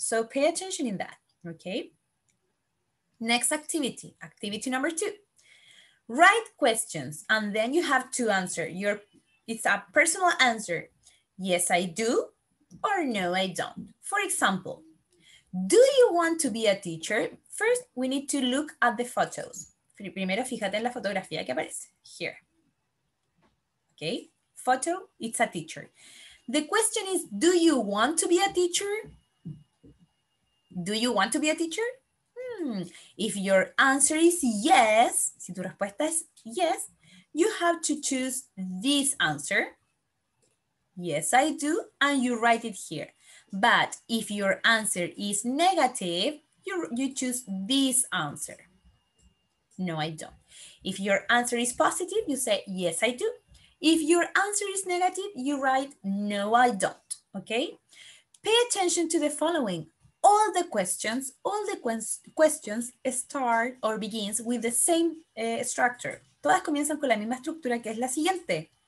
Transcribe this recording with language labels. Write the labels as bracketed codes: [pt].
[en] So pay attention in that, okay? Next activity, activity number 2. Write questions and then you have to answer. It's a personal answer. Yes, I do or no, I don't. For example, do you want to be a teacher? First, we need to look at the photos. [es] Primero, fíjate en la fotografía que aparece [en] here. Okay? Photo, it's a teacher. The question is, do you want to be a teacher? Do you want to be a teacher? If your answer is yes, [es] si tu respuesta es [en] yes, you have to choose this answer. Yes, I do. And you write it here. But if your answer is negative, you choose this answer. No, I don't. If your answer is positive, you say, yes, I do. If your answer is negative, you write, no, I don't, okay? Pay attention to the following. All the questions start or begins with the same structure. [es] Todas comienzan con la misma estructura, que es la siguiente.